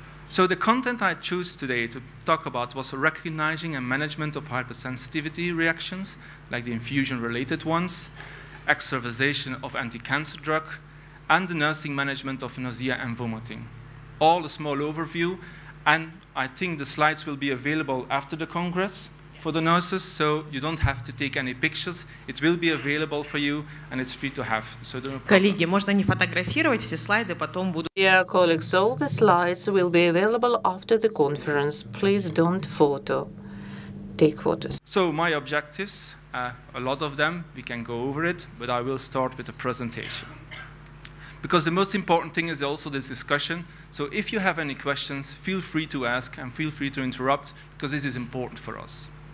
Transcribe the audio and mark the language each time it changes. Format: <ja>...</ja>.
<en>So the content I chose today to talk about was recognizing and management of hypersensitivity reactions, like the infusion-related ones, extravasation of anti-cancer drug, and the nursing management of nausea and vomiting. All a small overview, and I think the slides will be available after the Congress for the nurses, so you don't have to take any pictures. It will be available for you, and it's free to have. So</en> <ru>коллеги, можно не фотографировать все слайды, потом будут.</ru> <en>Dear colleagues, all the slides will be available after the conference. Please don't photo. Take photos. So my objectives, a lot of them, we can go over it, but I will start with a presentation. Because the most important thing is also this discussion. So if you have any questions, feel free to ask and feel free to interrupt, because this is important for us.</en>